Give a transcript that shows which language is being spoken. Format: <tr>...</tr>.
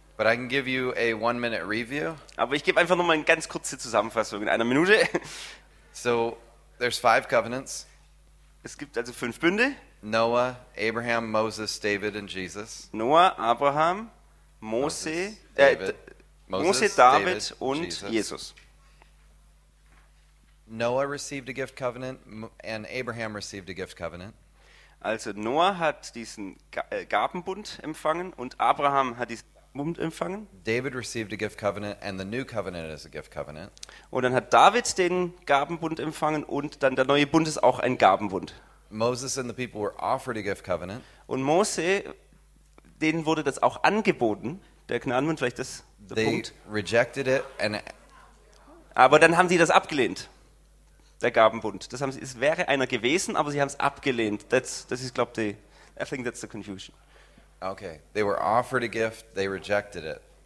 <en>But I can give you a one-minute review.</en> <de>Aber ich gebe einfach nur mal eine ganz kurze Zusammenfassung in einer Minute.</de> <en>So, there's five covenants.</en> <de>Es gibt also fünf Bünde.</de> <en>Noah, Abraham, Moses, David and Jesus.</en> <de>Noah, Abraham, Mose, Moses, David und Jesus.</de> <en>Noah received a gift covenant and Abraham received a gift covenant.</en> <de>Also Noah hat diesen Gabenbund empfangen und Abraham hat diesen Bund empfangen.</de> <en>David received a gift covenant and the new covenant is a gift covenant.</en> <de>Und dann hat David den Gabenbund empfangen und dann der neue Bund ist auch ein Gabenbund.</de> <en>Moses and the people were offered a gift covenant.</en> <de>Und Mose, denen wurde das auch angeboten, der Gnadenbund, vielleicht das der</de> <en>They</en> <de>Punkt.</de> <en>Rejected it and</en> <de>aber dann haben sie das abgelehnt. Der Gabenbund, das haben sie, es wäre einer gewesen, aber sie haben es abgelehnt. Das ist glaube ich,</de> <en>I think that's the confusion. Okay, they were offered a gift, they rejected it.</en>